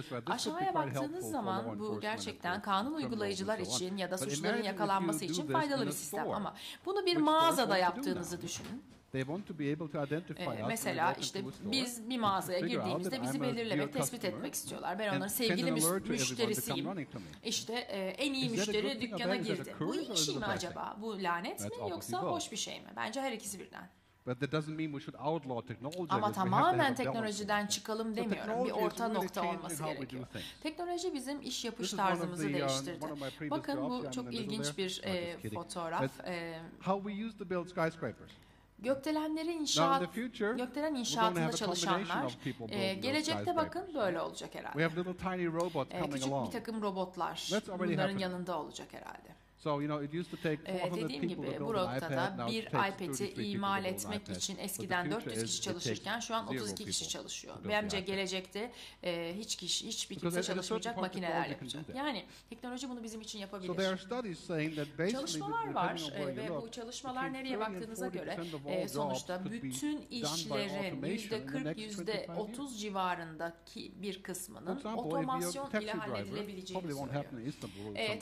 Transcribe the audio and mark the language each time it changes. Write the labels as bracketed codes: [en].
[tr] Aşağıya baktığınız zaman bu gerçekten kanun uygulayıcılar için ya da suçların yakalanması için faydalı bir sistem ama bunu bir mağazada yaptığınızı düşünün. [en] They want to be able to identify [tr] mesela işte biz bir mağazaya girdiğimizde bizi belirlemek, tespit etmek istiyorlar. Ben onların sevgili müşterisiyim. İşte en iyi müşteri dükkana girdi. Bu iyi şey mi acaba? Bu lanet mi yoksa hoş bir şey mi? Bence her ikisi birden. [en] But that doesn't mean we should outlaw technology. [tr] Ama tamamen teknolojiden çıkalım demiyorum. Bir orta nokta olması gerekiyor. Teknoloji bizim iş yapış tarzımızı değiştirdi. Bakın bu çok ilginç bir fotoğraf. [en] How we used to build skyscrapers. [tr] Gökdelenleri inşaat, [en] future, [tr] gökdelen inşaatında çalışanlar, gelecekte bakın böyle olacak herhalde. Küçük bir takım robotlar bunların yanında olacak herhalde. [en] So you know it used to take 400 people to build an iPad. [tr] Bir iPad'i imal etmek için eskiden 400 kişi çalışırken şu an 32 kişi çalışıyor. Bence gelecekte hiçbir kimse çalışmayacak, makineler yapacak. Yani teknoloji bunu bizim için yapabilir. Çalışmalar var ve bu çalışmalar nereye baktığınıza göre sonuçta bütün işlerin %40-%30 civarındaki bir kısmının otomasyon ile halledilebileceğini söylüyor.